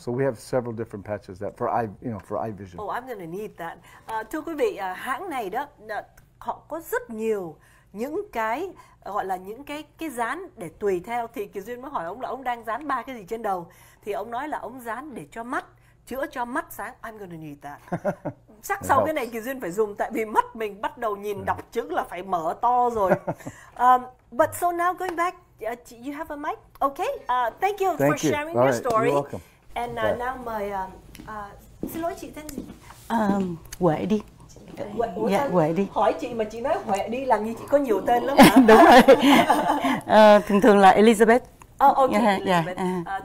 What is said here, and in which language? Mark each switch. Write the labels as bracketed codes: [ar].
[en] So we have several different patches that for eye, you know, for eye vision. Oh, I'm going to need that. [vi] Thưa quý vị, hãng này đó họ có rất nhiều những cái gọi là những cái dán để tùy theo. Thì Kỳ Duyên mới hỏi ông là ông đang dán ba cái gì trên đầu. Thì ông nói là ông dán để cho mắt, chữa cho mắt sáng. [en] I'm going to need that. [vi] Chắc sau cái này Kỳ Duyên phải dùng, tại vì mắt mình bắt đầu nhìn đọc chữ là phải mở to rồi. [en] But so now going back, you have a mic? Okay. Thank you thank for sharing you. Your right. story. You're welcome. And now my [vi] xin lỗi chị tên gì? Huệ đi. Huệ Huệ đi. Hỏi chị mà chị nói Huệ đi là như chị có nhiều tên lắm hả? Đúng rồi. Thường thường là Elizabeth. [en] Oh, okay. Yeah, Elizabeth. Yeah.